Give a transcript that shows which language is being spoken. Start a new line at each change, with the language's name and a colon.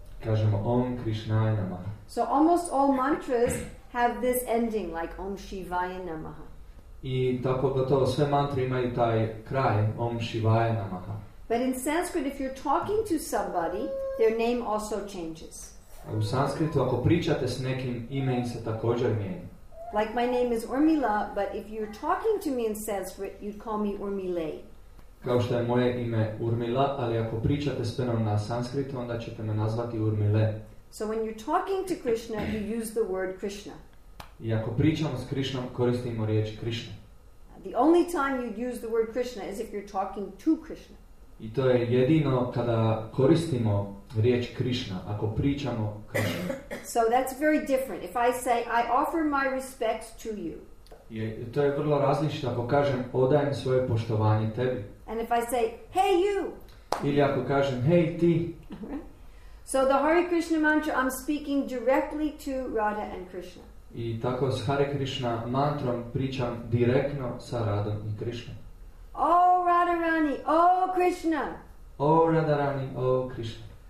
Croatian: Kažemo Om Krishnaya Namaha.
English: So almost all mantras have this ending, like Om Shivaya Namaha.
Croatian: I tako gotovo sve mantre imaju taj kraj, Om Shivaya Namaha.
English: But in Sanskrit, if you're talking to somebody, their name also changes.
Croatian: U Sanskritu, ako pričate s nekim, ime im se također mijenja.
English: Like my name is Urmila, but if you're talking to me in Sanskrit, you'd call me Urmile.
Croatian: Kao što je moje ime Urmila, ali ako pričate s menom na Sanskritu, onda ćete me nazvati Urmile.
English: So when you're talking to Krishna, you use the word Krishna.
Croatian: I ako pričamo s Krishnom, koristimo riječ Krishna.
English: The only time you'd use the word Krishna is if you're talking to Krishna.
Croatian: I to je jedino kada koristimo riječ Krishna, ako pričamo Krishna.
English: So that's very different. If I say, I offer my respects to you.
Croatian: To je vrlo različno ako kažem, odajem svoje poštovanje tebi.
English: And if I say, hey you.
Croatian: Ili ako kažem, hey ti.
English: So the Hare Krishna mantra, I'm speaking directly to Radha and Krishna.
Croatian: I tako s Hare Krishna mantrom pričam direktno sa Radom i Krishna.
English: Oh Radharani, oh Krishna. Oh Radharani, oh Krishna.